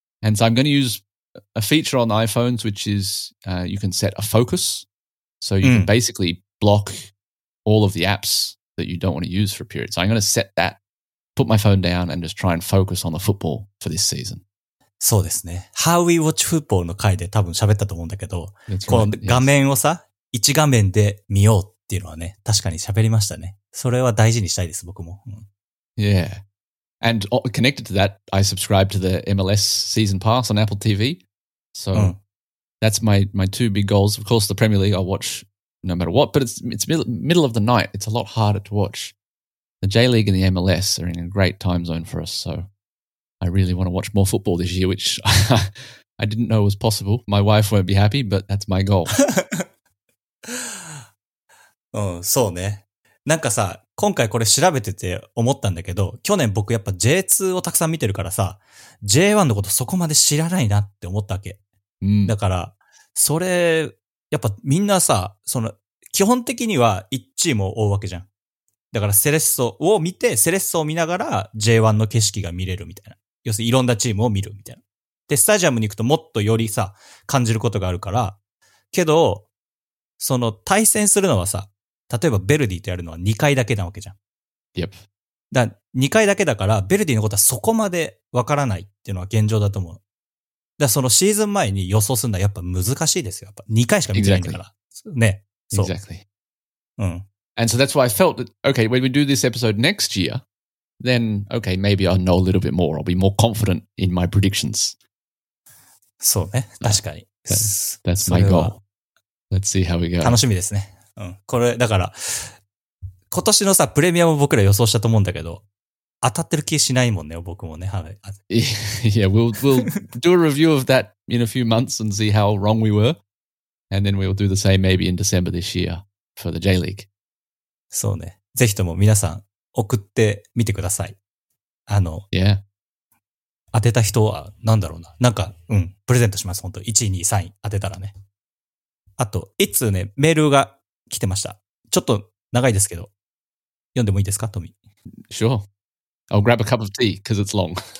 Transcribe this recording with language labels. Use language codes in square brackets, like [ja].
[en] And so I'm going to use a feature on iPhones, which is you can set a focus. So you can basically block all of the apps that you don't want to use for a period. So I'm going to set that, put my phone down, and just try and focus on the football for this season. [ja] そうですね。 [en] How we watch football [ja] の回で多分喋ったと思うんだけど、この画面をさ、一画面で見ようっていうのはね、確かに喋りましたね。それは大事にしたいです、僕も。 [en] Yeah. And connected to that, I subscribe to the MLS season pass on Apple TV. So that's my two big goals. Of course, the Premier League I watch no matter what, but it's middle of the night. It's a lot harder to watch. The J-League and the MLS are in a great time zone for us. So I really want to watch more football this year, which I didn't know was possible. My wife won't be happy, but that's my goal. [ja] うん、そうね。なんかさ、今回これ調べてて思ったんだけど、去年僕やっぱ J2 をたくさん見てるからさ、J1 のことそこまで知らないなって思ったわけ。だから、それ、やっぱみんなさ、その、基本的には1チームを追うわけじゃん。だからセレッソを見て、セレッソを見ながら J1 の景色が見れるみたいな。要するにいろんなチームを見るみたいな。で、スタジアムに行くともっとよりさ、感じることがあるから、けど、その対戦するのはさ、例えばベルディとやるのは2回だけなわけじゃん。 [en] Yep. [ja] だ2回だけだから、ベルディのことはそこまでわからないっていうのは現状だと思う。だそのシーズン前に予想するのはやっぱ難しいですよ。やっぱ2回しか見てないんだから。 [en] Exactly. [ja] ね。そう。 [en] Exactly. [ja] うん。 [en] And so that's why I felt that, okay, when we do this episode next year, then, okay, maybe I'll know a little bit more. I'll be more confident in my predictions. [ja] そうね。確かに。 [en] That's my goal. Let's see how we go. [ja] 楽しみですね。うん。これ、だから、今年のさ、プレミアも僕ら予想したと思うんだけど、当たってる気しないもんね、僕もね。はい。 [en] Yeah, we'll do a review of that in a few months and see how wrong we were. And then we'll do the same maybe in December this year for the J-League. [ja] そうね。ぜひとも皆さん、送ってみてください。 [en] Yeah. [ja] 当てた人は、なんだろうな。なんか、うん、プレゼントします、ほんと。 1位、2位、3位当てたらね。あと、一通ね、メールが来てました。ちょっと長いですけど、読んでもいいですか、トミー。 [en] Sure. I'll grab a cup of tea, because it's long.